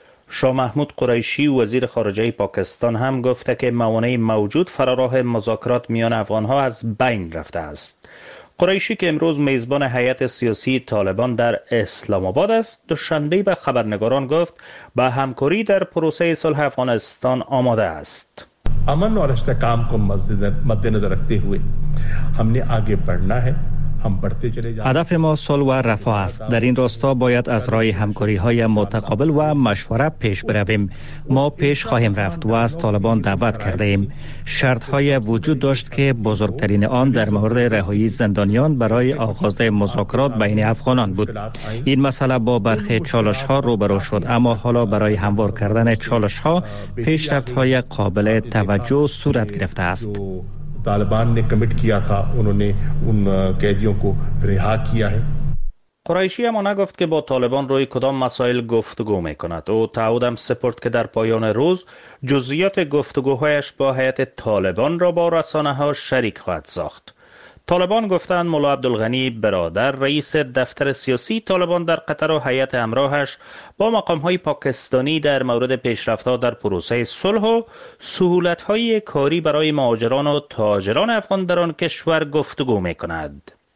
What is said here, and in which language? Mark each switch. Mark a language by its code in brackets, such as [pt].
[fa] شاه محمود قریشی وزیر خارجه پاکستان هم گفته که موانع موجود فراراه مذاکرات میان افغانها از بین رفته است. قریشی که امروز میزبان هیئت سیاسی طالبان در اسلام آباد است، دوشنبه به خبرنگاران گفت به همکاری در پروسه صلح افغانستان آماده است. [ur] اما نورشته کام کو مد نظر رکھتے ہوئے ہم نے آگے بڑھنا ہے. [fa] هدف ما صلح و رفاه است. در این راستا باید از رای همکاری های متقابل و مشوره پیش برویم. ما پیش خواهیم رفت و از طالبان دعوت کرده ایم. شرط های وجود داشت که بزرگترین آن در مورد رهایی زندانیان برای آغاز مذاکرات بین افغانان بود. این مسئله با برخی چالش ها روبرو شد، اما حالا برای هموار کردن چالش ها پیشرفت های قابل توجه صورت گرفته است. [ur] طالبان نے کمٹ کیا تھا انہوں نے ان قیدیوں کو رہا کیا ہے. [fa] قریشی اما نگفت که با طالبان روی کدام مسائل گفتگو میکند. او تعهد هم سپرد که در پایان روز جزئیات گفتگوهایش با هیئت طالبان را با رسانه ها شریک خواهد ساخت. طالبان گفتند ملا عبدالغنی برادر رئیس دفتر سیاسی طالبان در قطر و هیئت همراهش با مقام‌های پاکستانی در مورد پیشرفت‌ها در پروسه صلح و سهولت‌های کاری برای مهاجران و تاجران افغان در آن کشور گفتگو می‌کند.